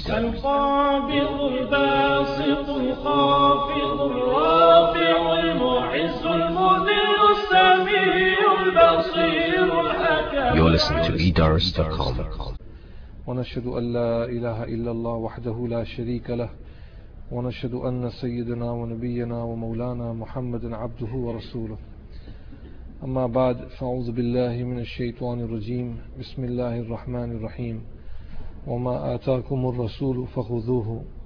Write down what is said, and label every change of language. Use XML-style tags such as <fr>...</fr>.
<ar>القابض الباسط الخافض الرافع المعز المذل السميع البصير الحكيم.</ar> <en>You're listening to Eidars.com.</en> <ar>ونشهد أن لا إله إلا الله وحده لا شريك له ونشهد أن سيدنا ونبينا ومولانا محمد عبده ورسوله أما بعد فأعوذ بالله من الشيطان الرجيم بسم الله الرحمن الرحيم وما آتاكم الرسول فخذوه</ar>